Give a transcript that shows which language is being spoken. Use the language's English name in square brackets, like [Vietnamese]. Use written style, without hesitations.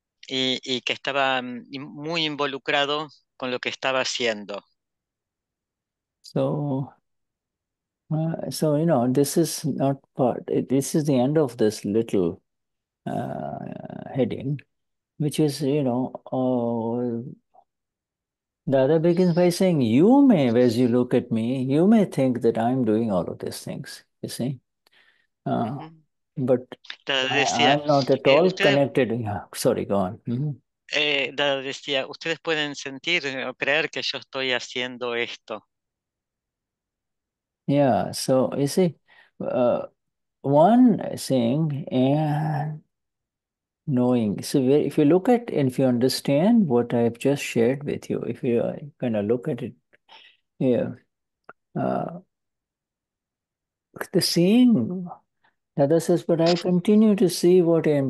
[Spanish] y que estaba muy involucrado con lo que estaba haciendo. [English] So, so you know, this is not part. This is the end of this little heading, which is, you know, Dada begins by saying, "You may, as you look at me, you may think that I'm doing all of these things. You see, but [Spanish] decía, [English] I'm not at all [Spanish] usted, [English] connected." Yeah, sorry, go on. Mm-hmm. [Spanish] Dada decía, ustedes pueden sentir o creer que yo estoy haciendo esto. [English] Yeah, so you see, one thing and knowing. So if you look at, if you understand what I've just shared with you, if you kind of look at it here, the seeing, Dada says, but I continue to see what A.M.